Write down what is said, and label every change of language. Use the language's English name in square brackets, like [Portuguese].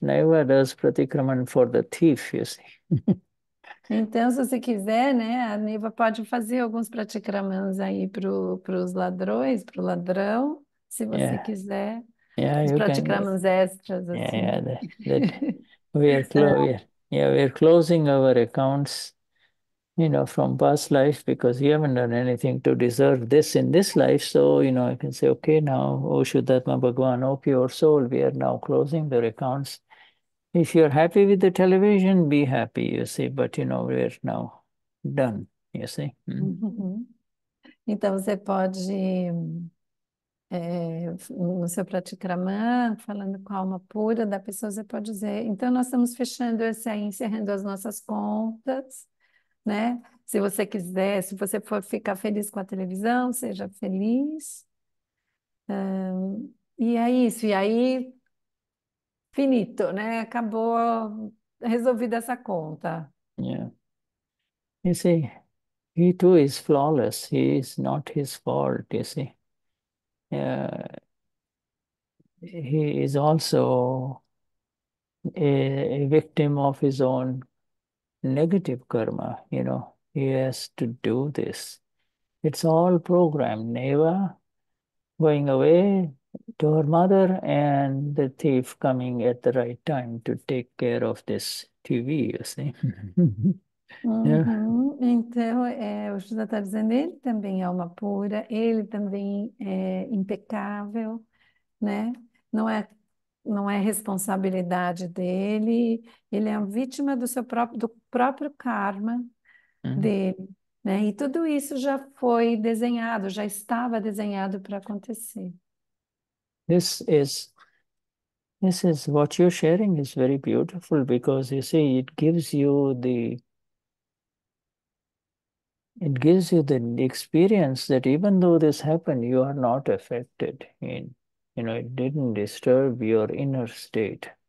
[English] Neiva does pratikraman for the thief, you see. [Portuguese] Então, se você quiser, né, a Neiva pode fazer alguns pratikramans aí para os ladrões, para o ladrão, se você quiser. [English] Yeah, [Portuguese] os [English] you [Portuguese] pratikramans [English] can. [Portuguese] Extras, [English] yeah, [Portuguese] assim. [English] Yeah, we are closing our accounts you know, from past life, because you haven't done anything to deserve this in this life. So, you know, I can say, okay, now, O Shuddhatma Bhagwan, O pure soul, we are now closing the accounts. If you're happy with the television, be happy, you see. But, you know, we're now done, you see. [Portuguese] Então, você pode, no seu Pratikraman, falando com a alma pura da pessoa, você pode dizer, então, nós estamos fechando esse aí, encerrando as nossas contas, né? Se você quiser, se você for ficar feliz com a televisão, seja feliz. E é isso, e aí, finito, né? Acabou, resolvida essa conta. [English] Yeah. You see, he too is flawless. He is not his fault, you see. He is also a victim of his own negative karma, you know. He has to do this. It's all programmed. Neva going away to her mother and the thief coming at the right time to take care of this TV, you see. Yeah. [Portuguese] Então, o Shuddha está dizendo, ele também é alma pura, ele também é impecável, né? Não é responsabilidade dele, ele é uma vítima do próprio karma dele, né? E tudo isso já foi desenhado, já estava desenhado para acontecer. [English] This is what you're sharing is very beautiful, because you see, it gives you the experience that even though this happened, you are not affected in, you know, it didn't disturb your inner state.